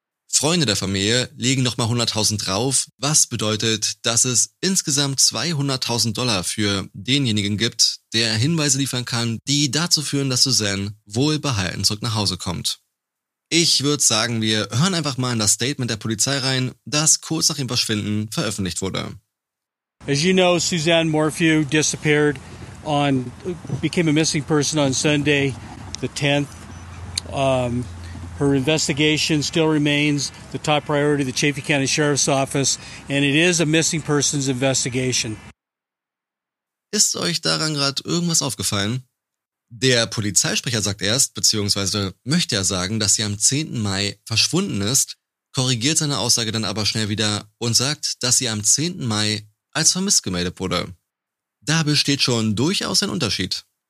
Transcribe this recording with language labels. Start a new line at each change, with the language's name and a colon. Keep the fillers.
German: Freunde der Familie legen nochmal 100.000 drauf, was bedeutet, dass es insgesamt 200.000 Dollar für denjenigen gibt, der Hinweise liefern kann, die dazu führen, dass Suzanne wohlbehalten zurück nach Hause kommt. Ich würde sagen, wir hören einfach mal in das Statement der Polizei rein, das kurz nach ihrem Verschwinden veröffentlicht wurde.
English: As you know, Suzanne Morphew disappeared on became a missing person on Sunday, the 10th. Um, her investigation still remains the top priority of the Chaffee County Sheriff's Office, and it is a missing persons investigation.
German: Ist euch daran gerade irgendwas aufgefallen? Der Polizeisprecher sagt erst, beziehungsweise möchte er sagen, dass sie am 10. Mai verschwunden ist, korrigiert seine Aussage dann aber schnell wieder und sagt, dass sie am 10. Mai als vermisst gemeldet wurde. Da besteht schon durchaus ein Unterschied.